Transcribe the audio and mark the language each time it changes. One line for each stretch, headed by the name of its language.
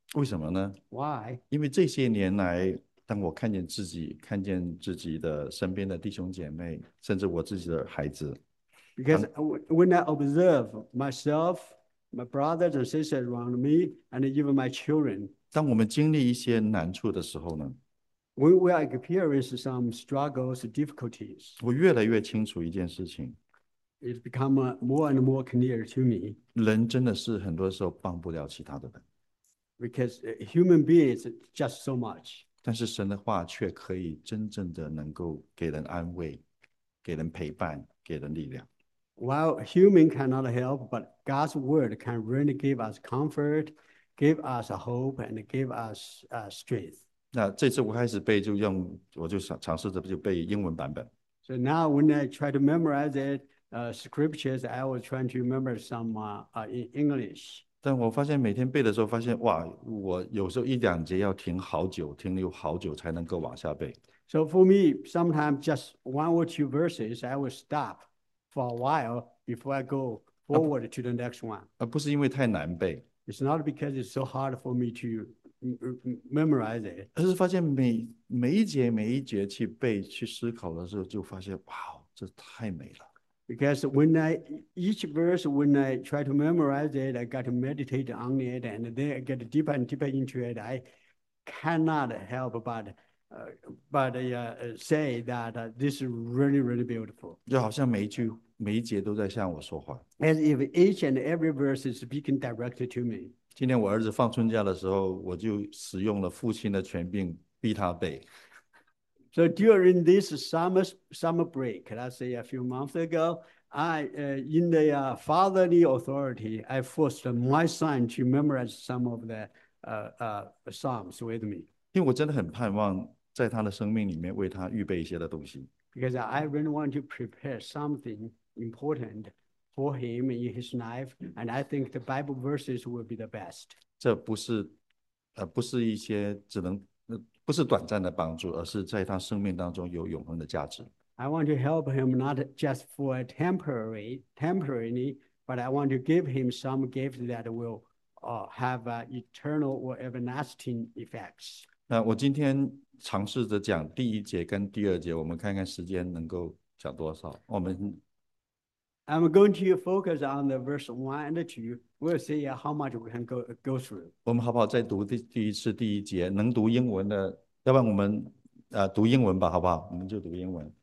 Chinese: 为什么呢
English: ？Why？
Chinese: 因为这些年来。当我看见自己，看见自己的身边的弟兄姐妹，甚至我自己的孩子。
English: Because when I observe myself, my brothers and sisters around me, and even my children.
Chinese: 当我们经历一些难处的时候呢
English: ？When we experience some struggles, difficulties.
Chinese: 我越来越清楚一件事情。
English: It become more and more clear to me.
Chinese: 人真的是很多时候帮不了其他的人。
English: Because human beings just so much.
Chinese: 但是神的话却可以真正的能够给人安慰，给人陪伴，给人力量。
English: While human cannot help, but God's word can really give us comfort, give us hope, and give us strength.
Chinese: 那这次我开始背，就用我就尝试着就背英文版本。
English: So now when I try to memorize it, scriptures, I was trying to remember some in English.
Chinese: 但我发现每天背的时候，发现哇，我有时候一两节要停好久，停留好久才能够往下背。
English: So for me, sometimes just one or two verses, I will stop for a while before I go forward to the next one.
Chinese: 不是因为太难背。
English: It's not because it's so hard for me to memorize it.
Chinese: 而是发现每一节去背去思考的时候，就发现哇，这太美了。
English: Because when I each verse, when I try to memorize it, I got to meditate on it, and then I get deeper and deeper into it. I cannot help but say that this is really, really beautiful.
Chinese: 就好像每一节都在向我说话。
English: As if each and every verse is speaking directly to me.
Chinese: 今天我儿子放春假的时候，我就使用了父亲的权柄逼他背。
English: So during this summer break, let's say a few months ago, in the fatherly authority, I forced my son to memorize some of the psalms with me.
Chinese: 因为我真的很盼望在他的生命里面为他预备一些的东西。
English: Because I really want to prepare something important for him in his life, and I think the Bible verses will be the best.
Chinese: 这不是一些只能。不是短暂的帮助，而是在他生命当中有永恒的价值。
English: I want to help him not just for a temporary, but I want to give him some gift that will have an eternal or everlasting effects.
Chinese: 那我今天尝试着讲第一节跟第二节，我们看看时间能够讲多少。
English: I'm going to focus on the verse 1 and 2. We'll see how much we can go through.
Chinese: 我们好不好再读第一次第一节？能读英文的，要不然我们读英文吧，好不好？我们就读英文。